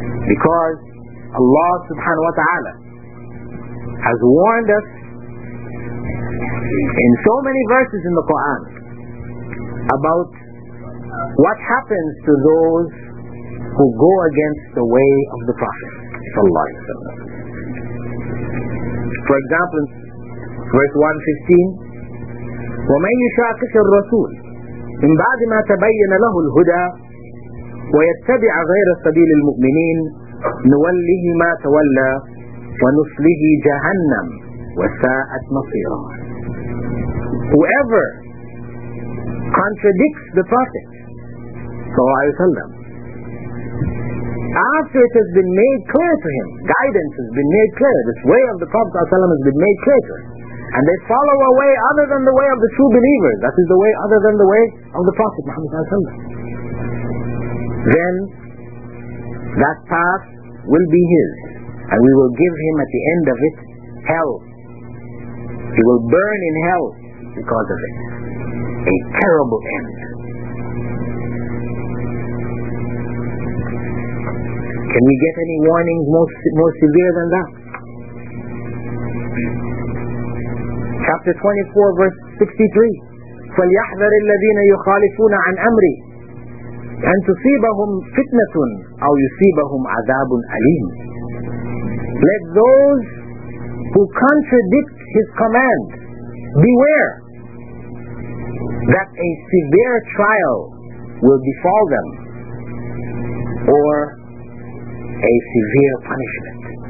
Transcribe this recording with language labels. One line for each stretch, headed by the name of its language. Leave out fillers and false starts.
English: Because Allah subhanahu wa ta'ala has warned us in so many verses in the Quran about what happens to those who go against the way of the Prophet sallallahu alaihi wasallam. For example, verse 115,
Arabic: وَمَنْ يُشَاقِقِ الرَّسُولِ مِنْ بَعْدِ مَا تَبَيَّنَ لَهُ الْهُدَى وَيَتَّبِعَ غَيْرَ سَبِيلِ الْمُؤْمِنِينَ نُوَلِّهِ مَا تَوَلَّى وَنُصْلِهِ جَهَنَّمْ وَسَاءَتْ مَصِيرًا.
English: Whoever contradicts the Prophet sallallahu alaihi wasallam after it has been made clear to him, guidance has been made clear, this way of the Prophet sallallahu has been made clear to him, and they follow a way other than the way of the true believers, that is the way other than the way of the Prophet Muhammad sallallahu, then that path will be his, and we will give him at the end of it hell. He will burn in hell because of it. A terrible end. Can we get any warnings more severe than that? Chapter 24, verse 63.
Arabic: فَلْيَحْذَرِ الَّذِينَ يُخَالِفُونَ عَنْ أَمْرِي أن تصيبهم فتنة أو يصيبهم عذاب أليم.
English: Let those who contradict his command beware that a severe trial will befall them or a severe punishment.